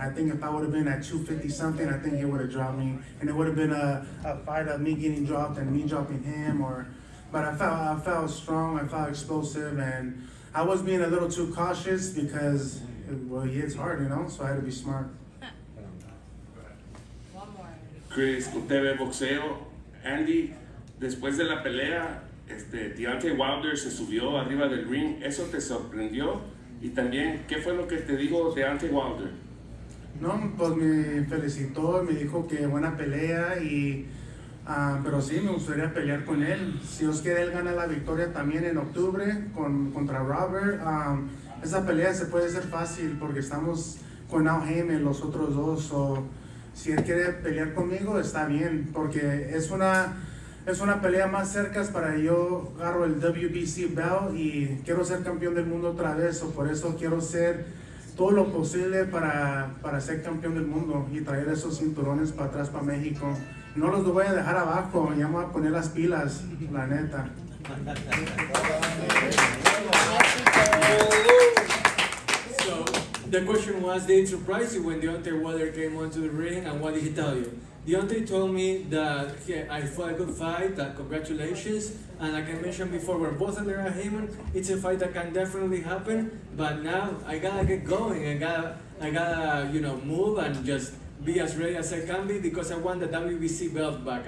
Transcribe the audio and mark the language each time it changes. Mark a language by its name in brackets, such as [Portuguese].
[English] I think if I would have been at 250-something, I think he would have dropped me. And it would have been a fight of me getting dropped and me dropping him. But I felt strong, I felt explosive, and I was being a little too cautious because, well, he hits hard, you know, so I had to be smart. One more. [Spanish] Chris, UTV Boxeo. Andy, después de la pelea, Deontay Wilder se subió arriba del ring. ¿Eso te sorprendió? Y también, ¿qué fue lo que te dijo Deontay Wilder? No, pues me felicitó, me dijo que buena pelea y... pero sí, me gustaría pelear con él. Si os quiere, él gana la victoria también en octubre contra Robert. Esa pelea se puede hacer fácil porque estamos con Al Haymon, los otros dos. So, si él quiere pelear conmigo, está bien. Porque es una pelea más cerca para yo agarro el WBC belt y quiero ser campeón del mundo otra vez. So, por eso quiero hacer todo lo posible para ser campeón del mundo y traer esos cinturones para atrás, para México. No los voy a dejar abajo, ya me voy a poner las pilas, la neta. [English] So, the question was, did it surprise you when Deontay Wilder came onto the ring, and what did he tell you? Deontay told me that I fought a good fight, that congratulations, and like I mentioned before, we're both under a Haymon, it's a fight that can definitely happen, but now I gotta get going, I gotta, you know, move and just be as ready as I can be because I want the WBC belt back.